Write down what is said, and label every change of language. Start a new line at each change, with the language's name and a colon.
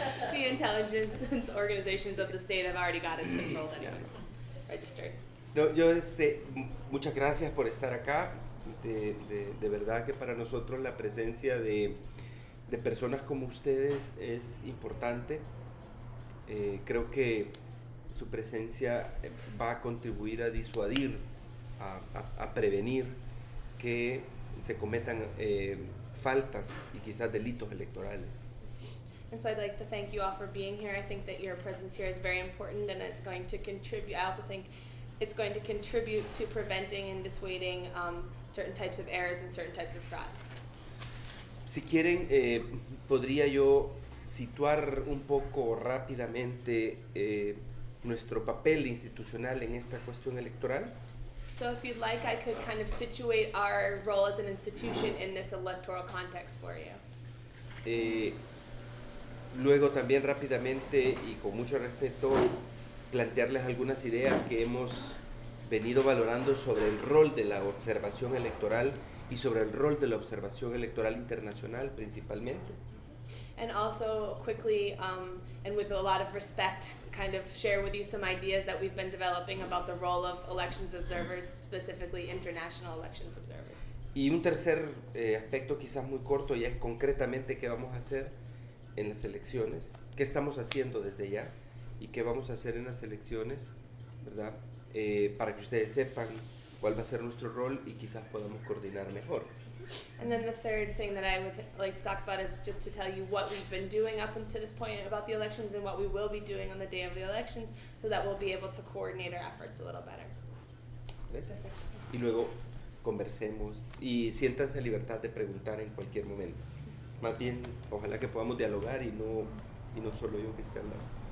English: The intelligence organizations of the state have already got us controlled anyway. Registered.
Spanish: No, yo muchas gracias por estar acá. De verdad que para nosotros la presencia de personas como ustedes es importante. Creo que su presencia va a contribuir a disuadir, a prevenir que se cometan faltas y quizás delitos electorales.
English: And so I'd like to thank you all for being here. I think that your presence here is very important, and it's going to contribute. I also think it's going to contribute to preventing and dissuading certain types of errors and certain types of fraud.
Spanish: Si quieren, podría yo situar un poco rápidamente nuestro papel institucional en esta cuestión electoral.
English: So if you'd like, I could kind of situate our role as an institution in this electoral context for you.
Spanish: Luego también rápidamente y con mucho respeto plantearles algunas ideas que hemos venido valorando sobre el rol de la observación electoral y sobre el rol de la observación electoral internacional principalmente.
English: And also quickly, and with a lot of respect, kind of share with you some ideas that we've been developing about the role of elections observers, specifically international elections observers.
Spanish: Y un tercer aspecto quizás muy corto ya es concretamente qué vamos a hacer en las elecciones, qué estamos haciendo desde ya y qué vamos a hacer en las elecciones, ¿verdad? Para que ustedes sepan cuál va a ser nuestro rol y quizás podamos coordinar mejor.
English: And then the third thing that I would like to talk about is just to tell you what we've been doing up until this point about the elections and what we will be doing on the day of the elections so that we'll be able to coordinate our efforts a little better.
Spanish: Y luego conversemos y siéntanse libertad de preguntar en cualquier momento. Más bien, ojalá que podamos dialogar y no solo yo que esté hablando.